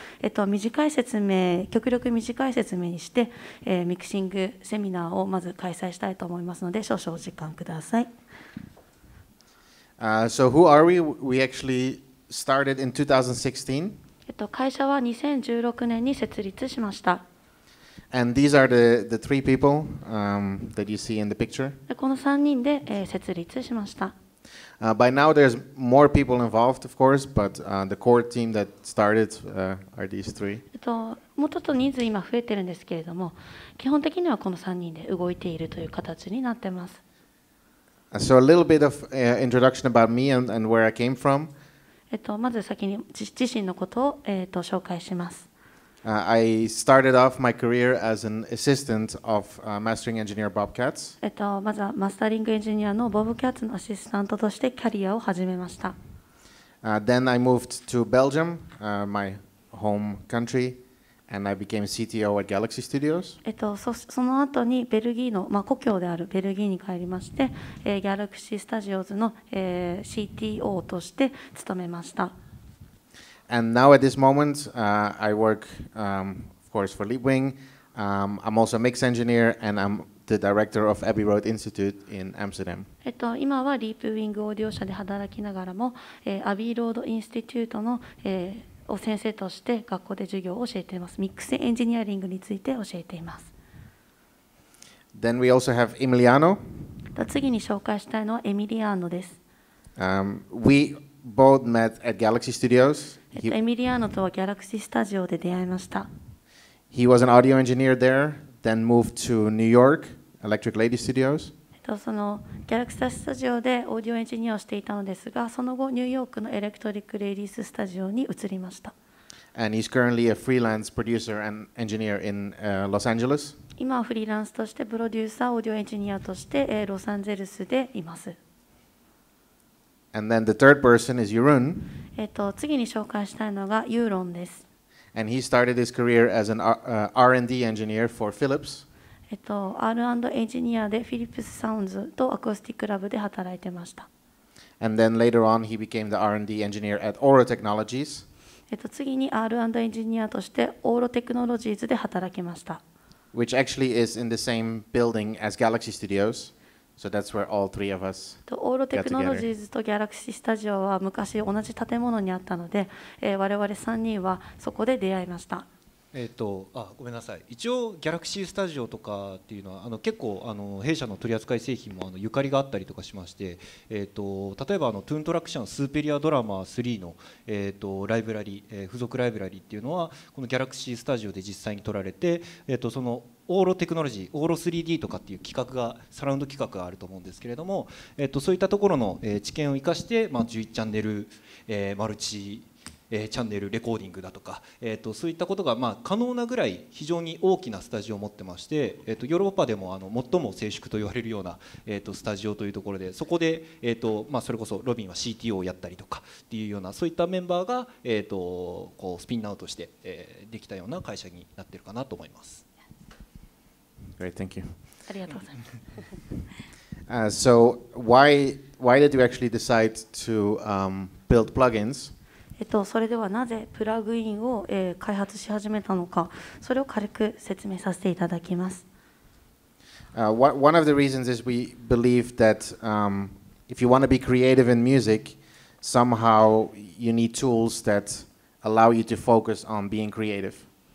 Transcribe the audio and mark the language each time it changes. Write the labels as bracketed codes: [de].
[ja] 極力短い説明にして、ミキシングセミナーをまず開催したいと思いますので、少々お時間ください。 [en] So who are we? We actually started in 2016. [ja] 会社は2016年に設立しました。 [en] And these are the three people, that you see in the picture. [ja] この3人で、設立しました。 [en] By now, there's more people involved, of course, but the core team that started are these three. [ja] もうちょっと人数今増えてるんですけれども、基本的にはこの3人で動いているという形になってます。 [en] So a little bit of introduction about me and where I came from. [ja] まず先に自身のことを紹介します。 [en] I started off my career as an assistant of mastering engineer Bob Katz. [ja] まずはマスタリングエンジニアのボブ・キャッツのアシスタントとしてキャリアを始めました。 [en] Then I moved to Belgium, my home country, and I became CTO at Galaxy Studios. [ja] その後にベルギーの、まあ、故郷であるベルギーに帰りまして、Galaxy Studiosの、CTO として勤めました。 [en] And now at this moment, I work, of course, for Leapwing. I'm also a mix engineer, and I'm the director of Abbey Road Institute in Amsterdam. [ja] 今は Leapwing Audio 社で働きながらも、Abbey Road Institute の、を先生として学校で授業を教えています。ミックスエンジニアリングについて教えています。 [en] Then we also have Emiliano. [ja] 次に紹介したいのはエミリアーノです。 [en] We both met at Galaxy Studios. [ja] エミリアーノとはギャラクシースタジオで出会いました。 [en] He was an audio engineer there, then moved to New York, Electric Lady Studios. [ja] そのギャラクシースタジオでオーディオエンジニアをしていたのですが、その後ニューヨークのエレクトリックレディーススタジオに移りました。 [en] And he's currently a freelance producer and engineer in Los Angeles. [ja] 今はフリーランスとしてプロデューサー、オーディオエンジニアとして、ロサンゼルスでいます。 [en] And then the third person is Yurun. [ja] 次に紹介したいのがユーロンです。 [en] And he started his career as an R&D engineer for Philips. [ja] R&D エンジニアで Philips Sounds とアコースティックラブで働いてました。 [en] And then later on he became the R&D engineer at Oro Technologies. [ja] 次に R&D エンジニアとして Oro Technologies で働きました。 [en] Which actually is in the same building as Galaxy Studios. So that's where all three of us got together. [ja] オーロテクノロジーズとギャラクシースタジオは昔同じ建物にあったので、我々3人はそこで出会いました。ごめんなさい。一応ギャラクシースタジオとかっていうのは結構弊社の取扱製品もゆかりがあったりとかしまして、例えばトゥントラクションスーペリアドラマー3の、ライブラリ、付属ライブラリっていうのはこのギャラクシースタジオで実際に撮られて、そのオーロテクノロジー、オーロ 3D とかっていう企画が、サラウンド企画があると思うんですけれども、そういったところの、知見を生かして、まあ、11チャンネル、マルチ、チャンネルレコーディングだとか、そういったことが、まあ、可能なぐらい非常に大きなスタジオを持ってまして、ヨーロッパでも最も静粛と言われるような、スタジオというところで、そこで、まあ、それこそロビンは CTO をやったりとかっていうようなそういったメンバーが、こうスピンアウトして、できたような会社になってるかなと思います。 [en] Great, thank you. [ja] ありがとうございます。 [en] So why did you actually decide to build plugins? [ja] それではなぜプラグインを、開発し始めたのか、それを軽く説明させていただきます。 [en] One of the reasons is we believe that if you want to be creative in music, somehow you need tools that allow you to focus on being creative.